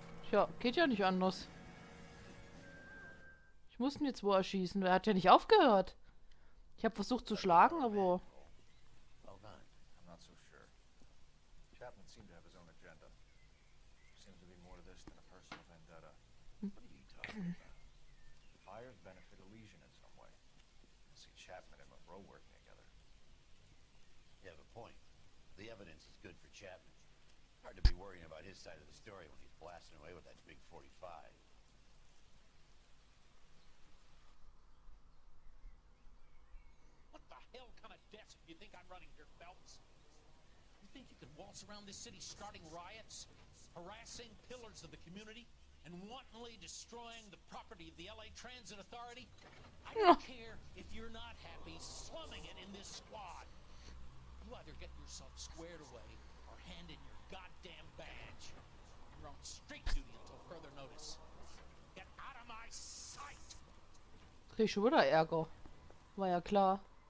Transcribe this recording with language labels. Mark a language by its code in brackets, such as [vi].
[de] Ja, geht ja nicht anders. Ich muss ihn jetzt wo erschießen. Er hat ja nicht aufgehört. Ich habe versucht zu schlagen, aber... [en] Well done. I'm not so sure. Chapman seemed to have his own agenda. Seems to be more to this than a personal vendetta. What are you talking about? Fires benefit a lesion in some way. I see Chapman and Monroe working together. You have a point. The evidence is good for Chapman. Hard to be worrying about his side of the story when he's blasting away with that big 45. What the hell kind of desk do you think I'm running here, Phelps? You think you could waltz around this city starting riots, harassing pillars of the community, and wantonly destroying the property of the LA Transit Authority? I don't care if you're not happy slumming it in this squad. You either get yourself squared away or hand in your goddamn badge. You're on street duty until further notice. Get out of my sight! [de] Krieg ich schon wieder Ärger. War ja klar.